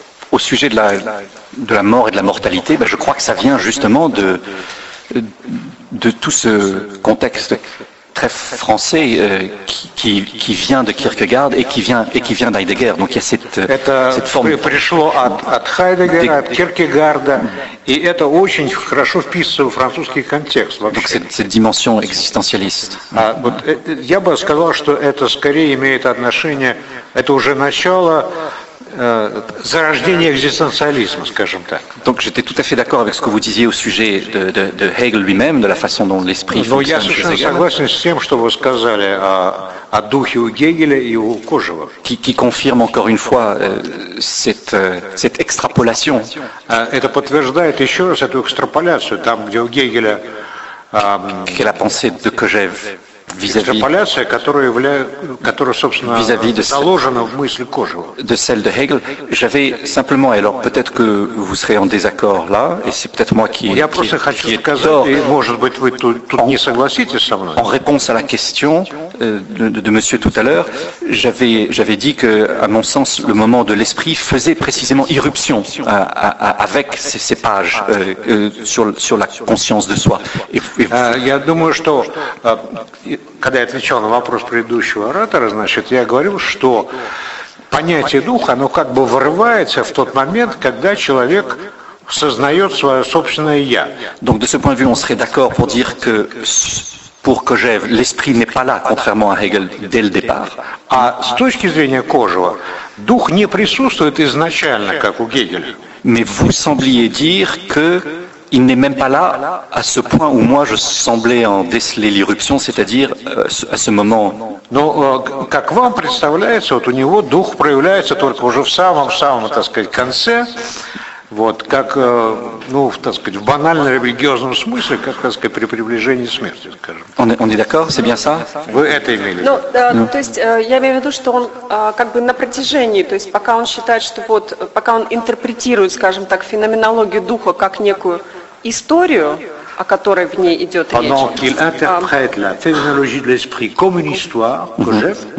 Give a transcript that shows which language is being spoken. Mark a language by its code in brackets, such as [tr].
[fr] Au sujet de la mort et de la mortalité, je crois que ça vient justement de tout ce contexte très français qui vient de Kierkegaard et qui vient d'Heidegger. Donc il y a cette forme. [ru] Это пришло от Хайдеггера, от Киркегарда, и это очень хорошо вписывается в французский контекст. [fr] Donc cette dimension existentialiste. [ru] Я бы сказал, что это скорее имеет отношение, это уже начало зарождения экзистенциализма, скажем так. [fr] Donc j'étais tout à fait d'accord avec ce que vous disiez au sujet de Hegel lui-même, de la façon dont l'esprit fonctionne. [ru] Я совершенно согласен с тем, что вы сказали о духе у Гегеля и у Кожева. [fr] Qui confirme encore une fois cette extrapolation. [ru] Это подтверждает еще раз эту экстраполяцию, там, где у Гегеля [fr] qui est la pensée de Кожев. [ru] Экстраполяция, которая, собственно, заложена в мысли Кожева. [fr] De celle de Hegel, j'avais simplement, alors peut-être que vous serez en désaccord là, et c'est peut-être moi qui [ru] Я просто хочу сказать, и может быть вы тут не согласитесь со мной. [fr] En réponse à la question de Monsieur tout à l'heure, j'avais dit que, à mon sens, le moment de l'esprit faisait précisément irruption avec ces pages sur la conscience de soi. [ru] Я думаю, что когда я отвечал на вопрос предыдущего оратора, значит, я говорил, что понятие духа, оно как бы вырывается в тот момент, когда человек сознает свое собственное «я». [fr] Donc, de ce point de vue, on serait d'accord pour dire que pour Кожев, l'esprit n'est pas là, contrairement à Hegel, dès le départ. [ru] А с точки зрения Кожева, дух не присутствует изначально, как у Гегеля. [fr] Mais vous sembliez dire que il n'est même pas là à ce point où moi je semblais en déceler l'irruption, c'est-à-dire à ce moment. [ru] Non, как вам представляется, вот у него дух проявляется только уже в самом-самом, так сказать, конце. Вот, как, ну, так сказать, в банальном религиозном смысле, как, так сказать, при приближении смерти, скажем. [fr] On est d'accord, c'est bien ça? [ru] Вы это имели в виду? Ну, то есть, я имею в виду, что он как бы на протяжении, то есть, пока он считает, что вот, пока он интерпретирует, скажем так, феноменологию духа как некую историю, о которой в ней идет [fr] pendant [ru] речь. [fr] Pendant qu'il interprète la phénoménologie de l'esprit comme une histoire, Кожев,